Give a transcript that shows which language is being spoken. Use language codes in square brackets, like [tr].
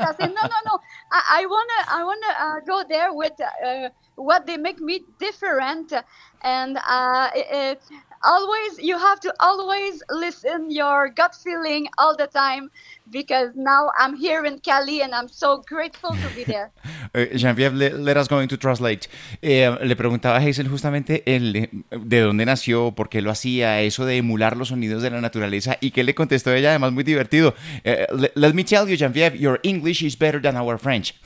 [en] I said, no, I wanna go there with what they make me different. And always, you have to always listen your gut feeling all the time, because now I'm here in Cali and I'm so grateful to be there. Jean-Pierre, let us go into translate. [es] Le preguntaba a Hazel justamente de dónde nació, por qué lo hacía, eso de emular los sonidos de la naturaleza, y qué le contestó ella, además muy divertido. [en] Let me tell you, Jean-Pierre, your English is better than our French.